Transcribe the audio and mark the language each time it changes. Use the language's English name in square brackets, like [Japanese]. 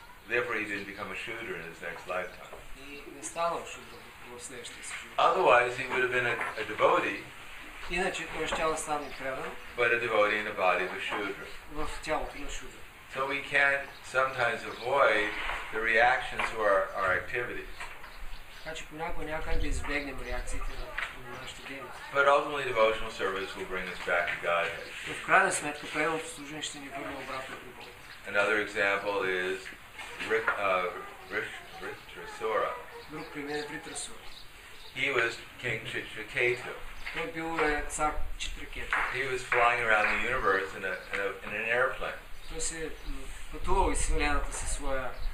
[English] Therefore, he didn't become a shudra in his next lifetime. [Bulgarian] И не станал шудра в следващия си живот. [English] Otherwise, he would have been a devotee. [Bulgarian] Иначе той е щял сам и предан. [English] But a devotee in the body of a Shudra. [Bulgarian] В тялото на Шудра. [English] So we can sometimes avoid the reactions to our activities. [Bulgarian] Значи понякога някак да избегнем реакциите на нашите дейности. [English] But ultimately devotional service will bring us back to Godhead. [Bulgarian] В крайна сметка преданото служение ще ни върне обратно при Бога. [English] Another example is Vritrasura. [Bulgarian] Друг пример е Vritrasura. [English] He was King Chitraketu. [Bulgarian] Той бил цар Читракета. [English] He was flying around the universe in an airplane. [Bulgarian] Той се пътувал из вселената със своя